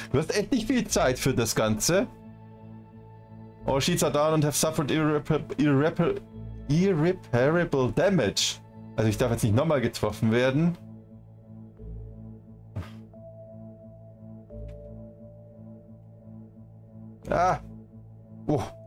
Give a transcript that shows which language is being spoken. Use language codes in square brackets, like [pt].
[de] Du hast echt nicht viel Zeit für das Ganze. [en] All sheets are down and have suffered irreparable damage. [de] Also ich darf jetzt nicht nochmal getroffen werden. Ah. Oh.